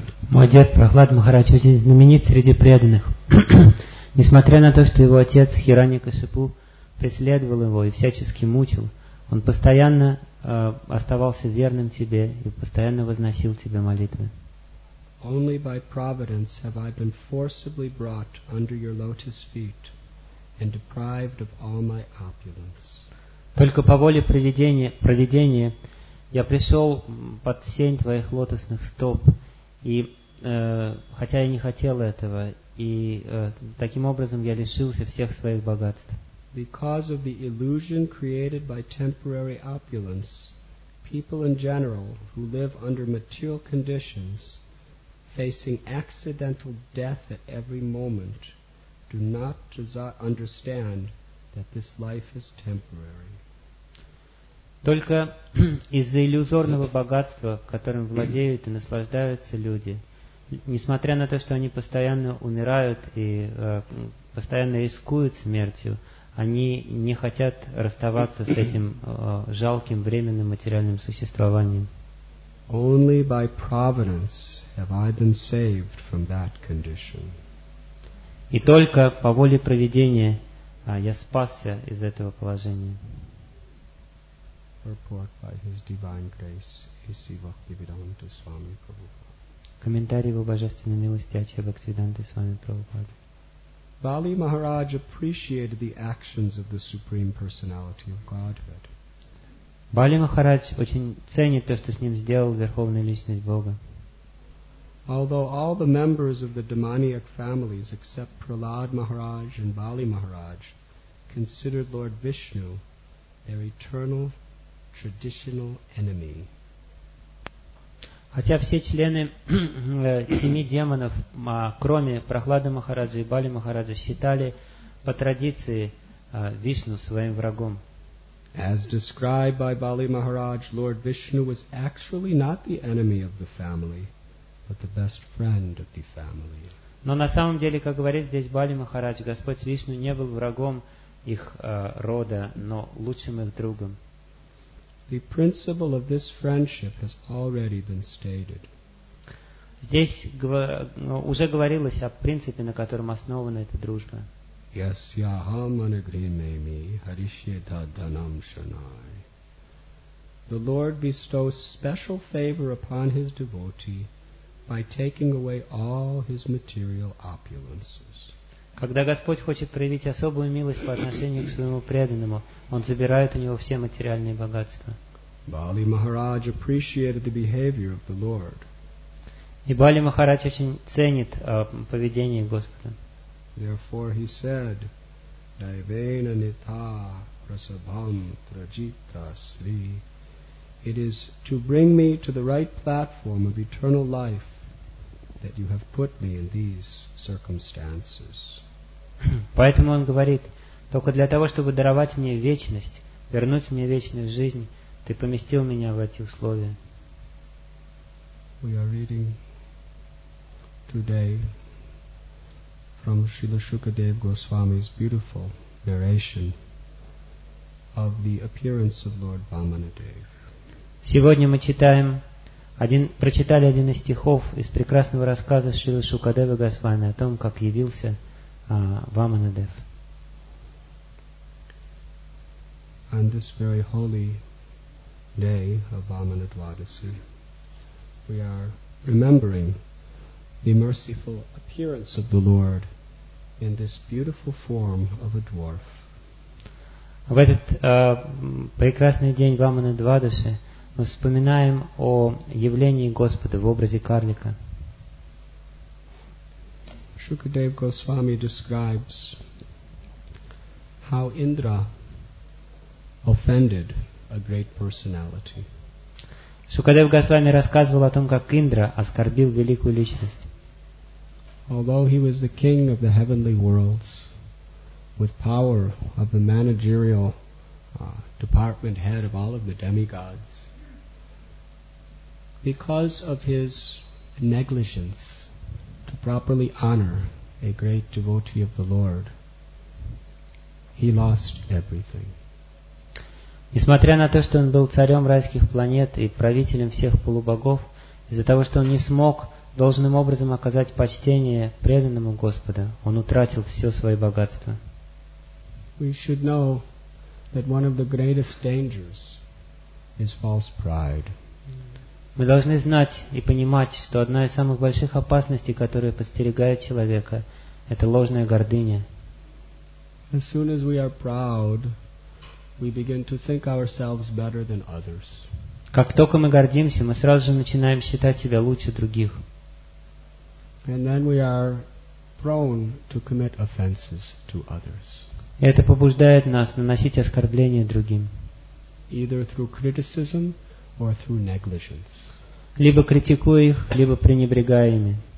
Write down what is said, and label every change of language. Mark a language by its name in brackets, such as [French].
[Russian] Мой дед Прахлад Махарадж очень знаменит среди преданных. Несмотря на то, что его отец Хираньякашипу преследовал его и всячески мучил, он постоянно оставался верным тебе и постоянно возносил тебе молитвы. [English] Only by providence have I been forcibly brought under your lotus feet and deprived of all my opulence. [Russian] Только по воле провидения я пришел под сень твоих лотосных стоп, и хотя я не хотел этого, и таким образом я лишился всех своих богатств. [English] Because of the illusion created by temporary opulence, people in general who live under material conditions, facing accidental death at every moment, do not understand that this life is temporary. [Russian] Только из-за иллюзорного богатства, которым владеют и наслаждаются люди, несмотря на то, что они постоянно умирают и постоянно рискуют смертью, они не хотят расставаться с этим жалким временным материальным существованием. [English] Only by providence have I been saved from that condition. [Russian] И только по воле провидения я спасся из этого положения. [English] Report by His Divine Grace, Иси Бхактивиданта Свами Прабхупада. [Russian] Комментарий его божественной милости Ачи Бхактивиданта Свами Прабхупада. [English] Бали Махарадж appreciated the actions of the Supreme Personality of Godhead. [Russian] Бали Махарадж очень ценит то, что с ним сделал Верховная Личность Бога. [English] Although all the members of the demoniac families except Prahlad Maharaj and Bali Maharaj considered Lord Vishnu their eternal traditional enemy. [Russian] Хотя все члены семи демонов, кроме Прахлады Махараджи и Бали Махараджи, считали по традиции Вишну своим врагом. [English] As described by Bali Maharaj, Lord Vishnu was actually not the enemy of the family, but the best friend of the family. [Russian] Но на самом деле, как говорит здесь Бали Махарадж, Господь Вишну не был врагом их рода, но лучшим их другом. [English] The principle of this friendship has already been stated. [Russian] Здесь уже говорилось о принципе, на котором основана эта дружба. [Sanskrit] Yasya aham anagrihimemi harishyeta dhanam shanai. [English] The Lord bestows special favor upon his devotee by taking away all his material opulences. [Russian] Когда Господь хочет проявить особую милость по отношению к своему преданному, он забирает у него все материальные богатства. [English] Bali Maharaj appreciated the behavior of the Lord. [Russian] И Бали Махарадж очень ценит поведение Господа. [English] Therefore he said, [Sanskrit] Daivena nita prasabham trajita sri. [English] It is to bring me to the right platform of eternal life that you have put me in these circumstances. [Russian] Поэтому он говорит, только для того, чтобы даровать мне вечность, вернуть мне вечную жизнь, ты поместил меня в эти условия. [English] We are reading today from Srila Shukadeva Goswami's beautiful narration of the appearance of Lord Vamanadeva. [Russian] Сегодня мы читаем, прочитали один из стихов из прекрасного рассказа Шрилы Шукадевы Госвами о том, как явился Ваманадев. [English] On this very holy day of Vamanadvadasi, we are remembering the merciful appearance of the Lord in this beautiful form of a dwarf. [Russian] В этот прекрасный день Ваманадвадасы мы вспоминаем о явлении Господа в образе карлика. [English] Shukadev Goswami describes how Indra offended a great personality. [Russian] Shukadev Goswami рассказывал о том, как Индра оскорбил великую личность. [English] Although he was the king of the heavenly worlds with power of the managerial department head of all of the demigods, because of his negligence to properly honor a great devotee of the Lord, he lost everything. [Russian] Несмотря на то, что он был царем райских планет и правителем всех полубогов, из-за того, что он не смог должным образом оказать почтение преданному Господу, он утратил все свое богатство. [English] We should know that one of the greatest dangers is false pride. [Russian] Мы должны знать и понимать, что одна из самых больших опасностей, которая подстерегает человека, это ложная гордыня. [English] As soon as we are proud, we begin to think ourselves better than others. [Russian] Как только мы гордимся, мы сразу же начинаем считать себя лучше других. [English] And then we are prone to commit offenses to others. [Russian] И это побуждает нас наносить оскорбления другим. [English] Either through criticism or through negligence. [Russian] Либо критикуя их, либо пренебрегая ими.